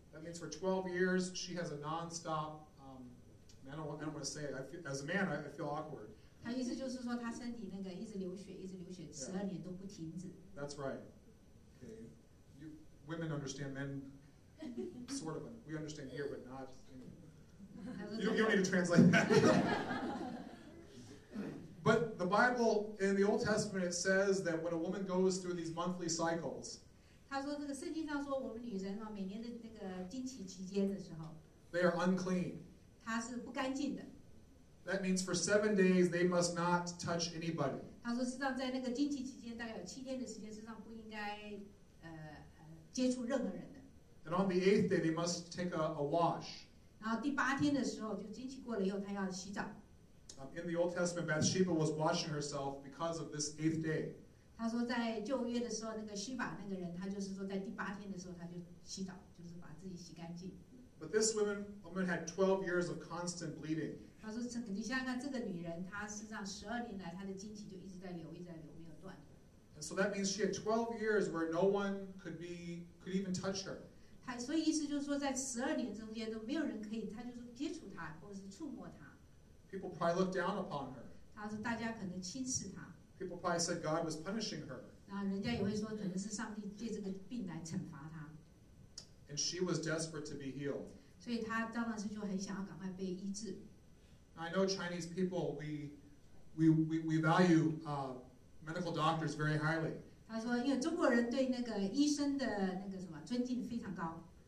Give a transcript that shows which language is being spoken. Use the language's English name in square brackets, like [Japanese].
[English] That means for 12 years she has a non-stop. I feel awkward. [Chinese] 她意思就是说她身体那个一直流血，一直流血，十二年都不停止。 [English] Yeah. That's right. Okay. Women understand men, sort of. We understand here, but not. You don't need to translate that. But the Bible in the Old Testament it says that when a woman goes through these monthly cycles, [Chinese] 他说这个圣经上说我们女人嘛，每年的那个经期期间的时候 [English] ，they are unclean. [Chinese] 她是不干净的。 [English] That means for 7 days they must not touch anybody. [Chinese] 他说实际上在那个经期期间，大概有七天的时间，实际上不应该。接触任何人的。 [English] And on the eighth day, they must take a wash. [Chinese] 然后第八天的时候，就经期过了以后，她要洗澡。 [English] In the Old Testament, Bathsheba was washing herself because of this eighth day. [Chinese] 她说在旧约的时候，那个希巴那个人，她就是说在第八天的时候，她就洗澡，就是把自己洗干净。 [English] But this woman had 12 years of constant bleeding. [Chinese] 她说，你想想看，这个女人，她实际上十二年来，她的经期就一直在流，一直在流，没有断。 [English] And so that means she had 12 years where no one could even touch her. [Chinese] 所以意思就是说在十二年中间都没有人可以，他就是接触她或者是触摸她。 [English] People probably looked down upon her. [Chinese] 他说大家可能轻视她。 [English] People probably said God was punishing her. [Chinese] 然后人家也会说可能是上帝借这个病来惩罚她。 [English] And she was desperate to be healed. [Chinese] 所以她当然是就很想要赶快被医治。 [English] I know Chinese people, we value. Medical doctors very highly. [Chinese] 他说，因为中国人对那个医生的那个什么尊敬非常高。